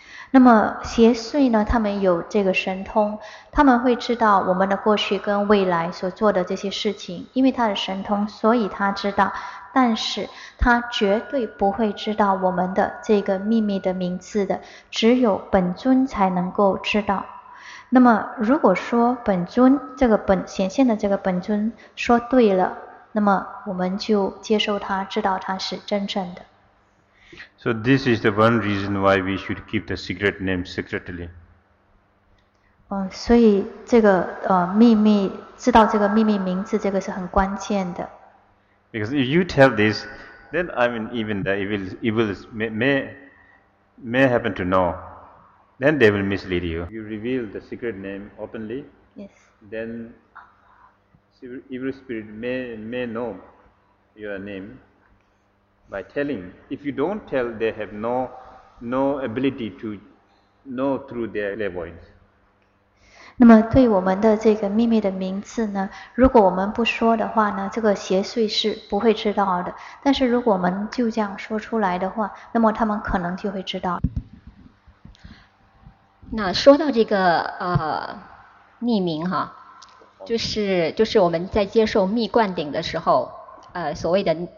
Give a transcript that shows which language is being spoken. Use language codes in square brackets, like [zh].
[zh] 那么邪祟呢，他们有这个神通，他们会知道我们的过去跟未来所做的这些事情，因为他的神通，所以他知道，但是他绝对不会知道我们的这个秘密的名字的，只有本尊才能够知道。那么如果说本尊这个本显现的这个本尊说对了，那么我们就接受他，知道他是真正的。 [en] So this is the one reason why we should keep the secret name secretly. [zh] 所以这个秘密，知道这个秘密名字，这个是很关键的。 [en] Because if you tell this, then I mean even the evils may happen to know, then they will mislead you. You reveal the secret name openly, yes. Then evil spirit may know your name. By telling, if you don't tell, they have no ability to know through their clairvoyance. [zh] 那么对我们的这个秘密的名字呢，如果我们不说的话呢，这个邪祟是不会知道的。但是如果我们就这样说出来的话，那么他们可能就会知道。那说到这个匿名哈，就是我们在接受密灌顶的时候，所谓的。